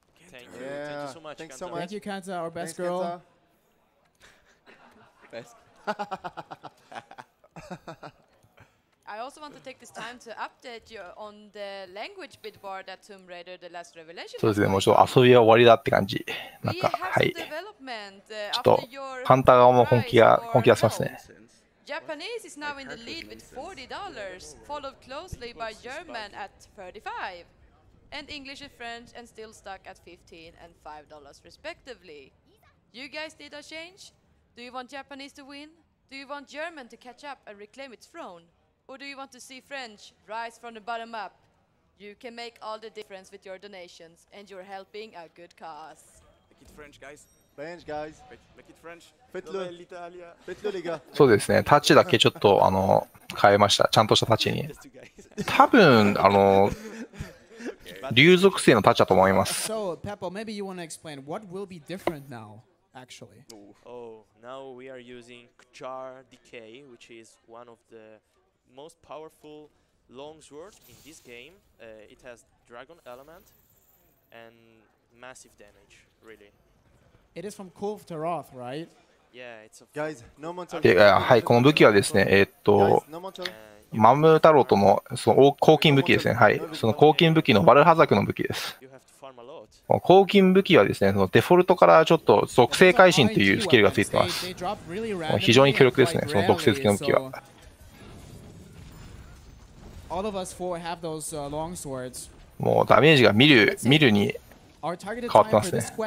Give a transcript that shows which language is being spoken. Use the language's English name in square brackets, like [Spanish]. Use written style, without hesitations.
[English] Thank you. Yeah. Thank you so much. Thanks Kanta. So much. Thank you, Kanta, our best Thanks, girl. Best. I also want to take this time to update you on the language bit bar that Tomb Raider The Last Revelation. [Japanese] そうですね、もうちょっと遊びは終わりだって感じ。なんか、はい。ちょっと、カンタ側も本気出しますね。 [English] Japanese is now in the lead with $40, followed closely by German at $35, and English and French and still stuck at $15 and $5 respectively. You guys did a change? Do you want Japanese to win? Do you want German to catch up and reclaim its throne? Or do you want to see French rise from the bottom up? You can make all the difference with your donations, and you're helping a good cause. Make it French, guys. French guys, make it French. Petlo, l'Italia. Petlo, Liga. [Japanese] そうですね。タッチだけちょっと変えました。ちゃんとしたタッチに。多分竜属性のタッチだと思います。 [English] So, Peppo, maybe you want to explain what will be different now, actually. Oh, now we are using Char Decay, which is one of the most powerful longsword in this game. It has dragon element and massive damage, really. It is from Kul'f Taroth, right? Yeah, it's a guys. No monster. [Japanese] はい、この武器はですね、マムタロトのその黄金武器ですね。はい、その黄金武器のバルハザクの武器です。黄金武器はですね、そのデフォルトからちょっと属性改心というスキルがついてます。非常に強力ですね、その属性付きの武器は。 [English] All of us four have those long swords. [Japanese] もうダメージが見るに変わってますね。